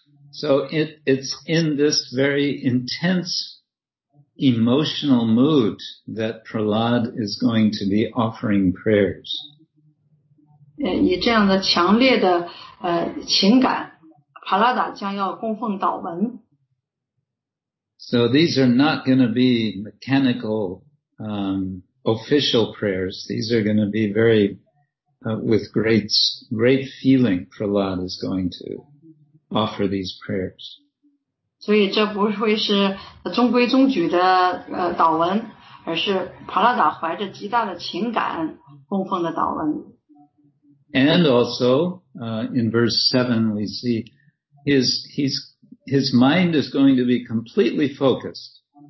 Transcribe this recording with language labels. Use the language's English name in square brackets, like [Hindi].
[English] So it's in this very intense emotional mood that Prahlad is going to be offering prayers. [Chinese] 以这样的强烈的情感帕拉达将要供奉祷文。 [English] So these are not going to be mechanical, official prayers. These are going to be very, with great feeling, Prahlad is going to offer these prayers. [Chinese] 所以这不会是中规中矩的祷文而是帕拉达怀着极大的情感供奉的祷文。 [English] And also, in verse 7 we see his mind is going to be completely focused.